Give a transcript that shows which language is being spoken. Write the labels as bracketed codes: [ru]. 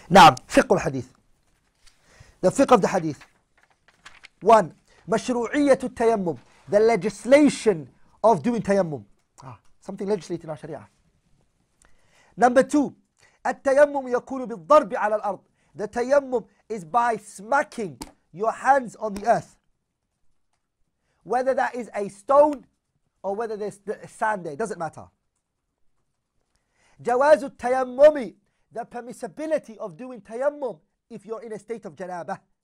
[en] Now, fiqh al-hadith. The fiqh of the hadith. One, mashru'iyyatu tayammum. The legislation of doing tayammum. Ah, something legislated in our sharia. [ar] Number two, التيمم يكون بالضرب على الأرض. [en] The tayammum is by smacking your hands on the earth. Whether that is a stone or whether there's sand there, doesn't matter. جواز التيمم, the permissibility of doing tayammum if you're in a state of janabah.